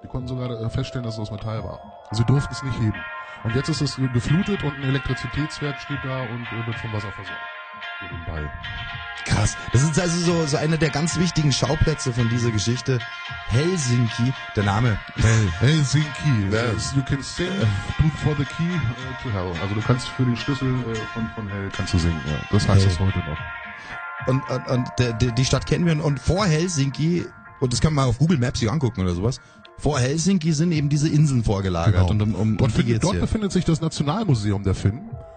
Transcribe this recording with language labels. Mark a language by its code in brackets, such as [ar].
[de] Die konnten sogar feststellen, dass es aus Metall war. Sie durften es nicht heben. Und jetzt ist es geflutet und ein Elektrizitätswerk steht da und wird vom Wasser versorgt. Nebenbei. Krass. Das ist also so einer der ganz wichtigen Schauplätze von dieser Geschichte. Helsinki, der Name. [en] Helsinki. Yes. You can sing for the key to hell. [de] Also du kannst für den Schlüssel von Hell kannst du singen. Ja. Das heißt es heute noch. Und die Stadt kennen wir. Und vor Helsinki, und das kann man mal auf Google Maps hier angucken oder sowas, vor Helsinki sind eben diese Inseln vorgelagert. Genau. Dort befindet sich das Nationalmuseum der Finnen.